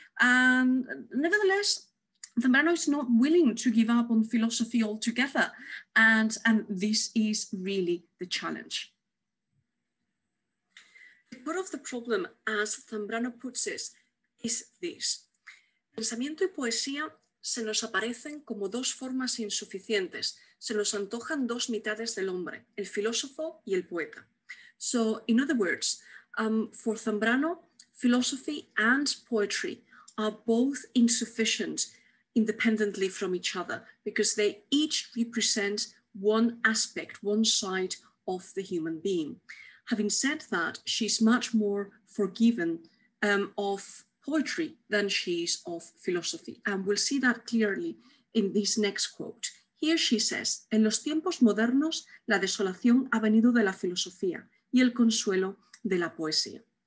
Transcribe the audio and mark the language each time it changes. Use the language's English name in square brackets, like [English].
[English] And nevertheless, Zambrano is not willing to give up on philosophy altogether. And this is really the challenge. The core of the problem, as Zambrano puts it, is this. [Spanish] Pensamiento y poesía se nos aparecen como dos formas insuficientes. Se nos antojan dos mitades del hombre, el filósofo y el poeta. [English] So, in other words, for Zambrano, philosophy and poetry are both insufficient independently from each other, because they each represent one aspect, one side of the human being. Having said that, she's much more forgiven of poetry than she is of philosophy. And we'll see that clearly in this next quote. Here she says, [Spanish] "En los tiempos modernos, la desolación ha venido de la filosofía y el consuelo de la poesía."